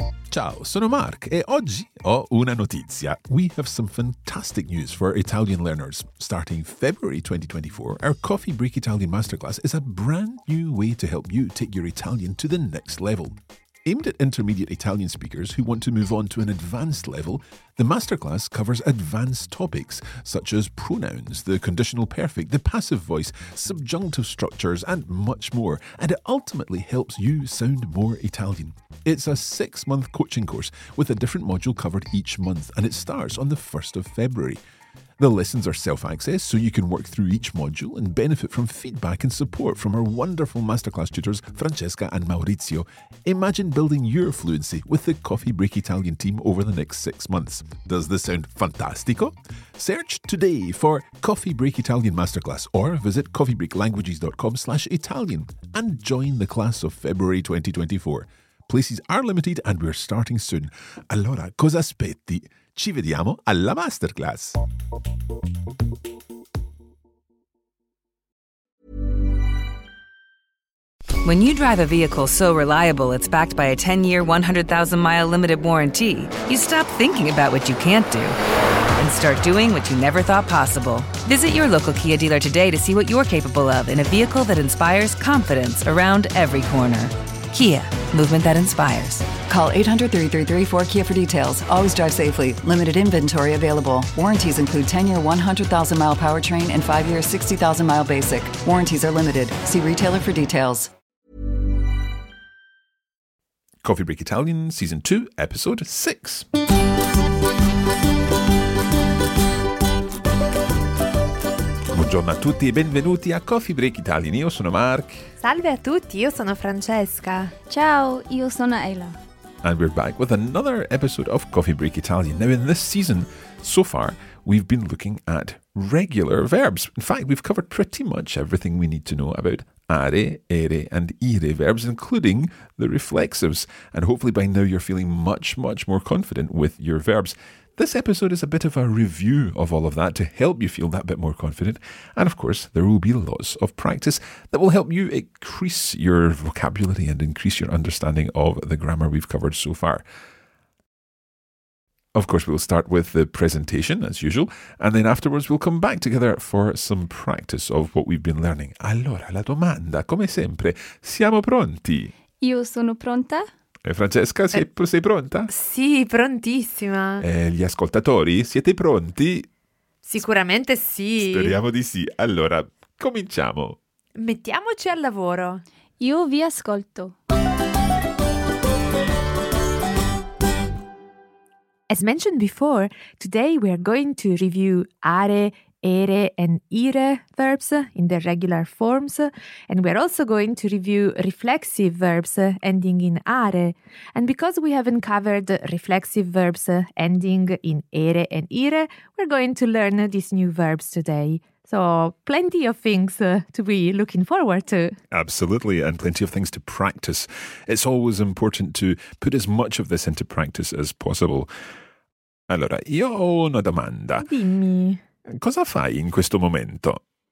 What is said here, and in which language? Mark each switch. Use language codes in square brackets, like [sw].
[it] Ciao, sono Mark e oggi ho una notizia. [en] We have some fantastic news for Italian learners. Starting February 2024, our Coffee Break Italian Masterclass is a brand new way to help you take your Italian to the next level. Aimed at intermediate Italian speakers who want to move on to an advanced level, the masterclass covers advanced topics such as pronouns, the conditional perfect, the passive voice, subjunctive structures, and much more, and it ultimately helps you sound more Italian. It's a six-month coaching course with a different module covered each month, and it starts on the 1st of February. The lessons are self-access, so you can work through each module and benefit from feedback and support from our wonderful masterclass tutors, Francesca and Maurizio. Imagine building your fluency with the Coffee Break Italian team over the next 6 months. Does this sound fantastico? Search today for Coffee Break Italian Masterclass or visit coffeebreaklanguages.com/Italian and join the class of February 2024. Places are limited and we're starting soon. [it] Allora, cosa aspetti? Ci vediamo alla masterclass. [en] When you drive a vehicle so reliable it's backed by a 10-year, 100,000-mile limited warranty, you stop thinking about what you can't do and start doing what you never thought possible. Visit your local Kia dealer today to see what you're capable of in a vehicle that inspires confidence around every corner. Kia, movement that inspires. Call 800-333-4KIA for details. Always drive safely. Limited inventory available. Warranties include 10-year, 100,000-mile powertrain and 5-year, 60,000-mile basic. Warranties are limited. See retailer for details. Coffee Break Italian, Season 2, Episode 6. [it] Buongiorno a tutti e benvenuti a Coffee Break Italian. Io sono Mark. Salve a tutti, io sono Francesca. Ciao, io sono Ayla. [en] And we're back with another episode of Coffee Break Italian. Now, in this season, so far, we've been looking at regular verbs. In fact, we've covered pretty much everything we need to know about are, ere, and ire verbs, including the reflexives. And hopefully by now you're feeling much, much more confident with your verbs. This episode is a bit of a review of all of that to help you feel that bit more confident. And of course, there will be lots of practice that will help you increase your vocabulary and increase your understanding of the grammar we've covered so far. Of course, we'll start with the presentation, as usual, and then afterwards we'll come back together for some practice of what we've been learning. [it] Allora, la domanda, come sempre, siamo pronti? Io sono pronta. E Francesca, sei pronta? Sì, prontissima. E gli ascoltatori, siete pronti? Sicuramente sì. Speriamo di sì. Allora, cominciamo. Mettiamoci al lavoro. Io vi ascolto. [en] As mentioned before, today we are going to review are, ere and ire verbs in their regular forms, and we're also going to review reflexive verbs ending in are. And because we haven't covered reflexive verbs ending in ere and ire, we're going to learn these new verbs today. So plenty of things to be looking forward to. Absolutely, and plenty of things to practice. It's always important to put as much of this into practice as possible. [it] Allora, io ho una domanda. Dimmi. Cosa fai in questo momento?